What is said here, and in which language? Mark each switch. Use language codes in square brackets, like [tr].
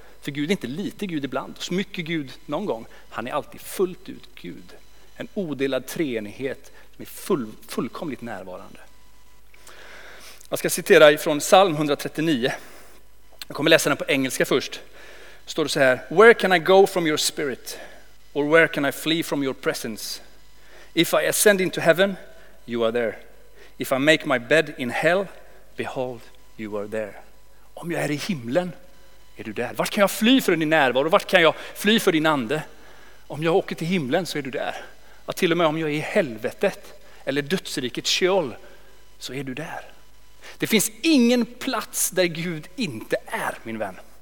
[sv] För Gud är inte lite Gud ibland, så mycket Gud någon gång. Han är alltid fullt ut Gud. En odelad treenighet som är fullkomligt närvarande. Jag ska citera ifrån psalm 139. Jag kommer läsa den på engelska först. Står det så här. [en] Where can I go from your spirit? Or where can I flee from your presence? If I ascend into heaven, you are there. If I make my bed in hell, behold, you are there. [sv] Om jag är i himlen, är du där? Vart kan jag fly för din närvaro? Vart kan jag fly för din ande? Om jag åker till himlen så är du där. Ja, till och med om jag är i helvetet eller dödsriket Sheol så är du där. Det finns ingen plats där Gud inte är, min vän.